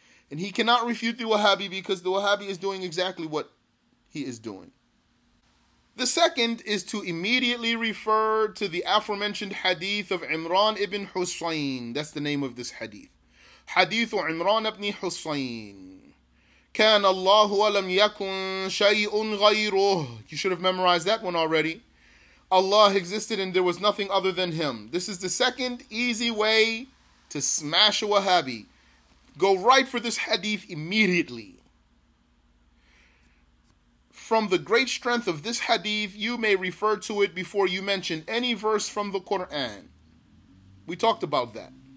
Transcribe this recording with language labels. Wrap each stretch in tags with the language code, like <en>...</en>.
<en>And he cannot refute the Wahhabi because the Wahhabi is doing exactly what he is doing. The second is to immediately refer to the aforementioned hadith of Imran ibn Husayn. That's the name of this hadith. Hadith of Imran ibn Husayn.</en> <ar>كان الله ولم يكن شيء غيره.</ar> <en>You should have memorized that one already. Allah existed and there was nothing other than Him. This is the second easy way to smash a Wahhabi. Go right for this hadith immediately. From the great strength of this hadith, you may refer to it before you mention any verse from the Quran. We talked about that.</en>